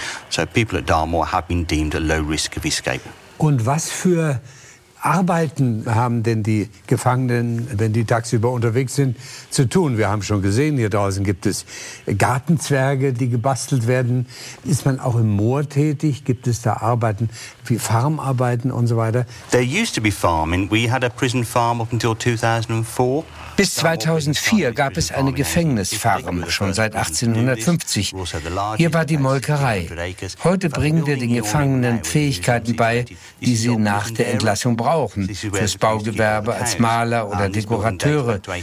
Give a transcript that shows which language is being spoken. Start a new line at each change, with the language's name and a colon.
English: So people at Dartmoor have been deemed a low risk of escape.
German: Und was für Arbeiten haben denn die Gefangenen, wenn die tagsüber unterwegs sind, zu tun? Wir haben schon gesehen, hier draußen gibt es Gartenzwerge, die gebastelt werden. Ist man auch im Moor tätig? Gibt es da Arbeiten wie Farmarbeiten und so weiter?
English: There used to be farming. We had a prison farm up until 2004.
German: Bis 2004 gab es eine Gefängnisfarm, schon seit 1850. Hier war die Molkerei. Heute bringen wir den Gefangenen Fähigkeiten bei, die sie nach der Entlassung brauchen, fürs Baugewerbe, als Maler oder Dekorateure.